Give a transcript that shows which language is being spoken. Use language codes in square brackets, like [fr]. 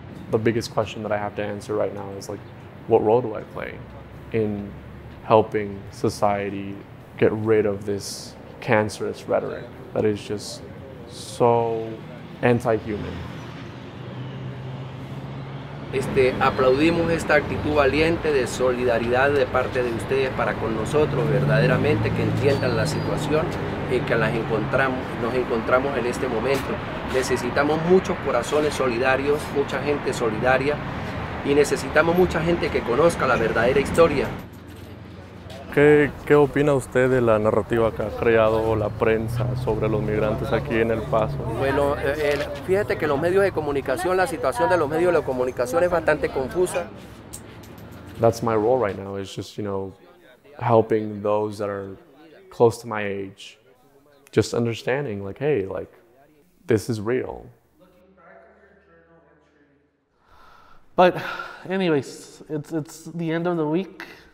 [en] The biggest question that I have to answer right now is like, what role do I play in helping society get rid of this cancerous rhetoric that is just so anti-human? [es] Aplaudimos esta actitud valiente de solidaridad de parte de ustedes para con nosotros, verdaderamente que entiendan la situación y que nos encontramos en este momento. Necesitamos muchos corazones solidarios, mucha gente solidaria y necesitamos mucha gente que conozca la verdadera historia. ¿Qué opina usted de la narrativa que ha creado la prensa sobre los migrantes aquí en El Paso? Bueno, fíjate que los medios de comunicación, la situación de los medios de comunicación es bastante confusa. [en] That's my role right now, is just, you know, helping those that are close to my age, just understanding, like, hey, like, this is real. But anyways, it's the end of the week.